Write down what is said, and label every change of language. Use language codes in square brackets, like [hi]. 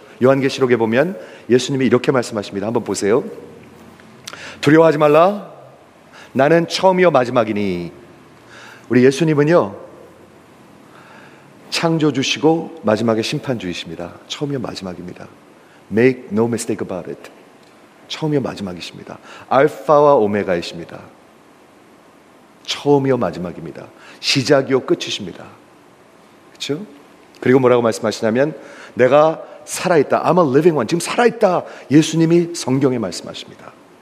[ko] 요한계시록에 보면 예수님이 이렇게 말씀하십니다. 한번 보세요. 두려워하지 말라. 나는 처음이요 마지막이니. 우리 예수님은요, 창조주시고 마지막에 심판주이십니다. 처음이요 마지막입니다. [en] Make no mistake about it. [ko] 처음이요 마지막이십니다. 알파와 오메가이십니다. 처음이요 마지막입니다. 시작이요 끝이십니다. 그렇죠? 그리고 뭐라고 말씀하시냐면 내가 살아있다. [en] I'm a living one. [ko] 지금 살아있다. 예수님이 성경에 말씀하십니다.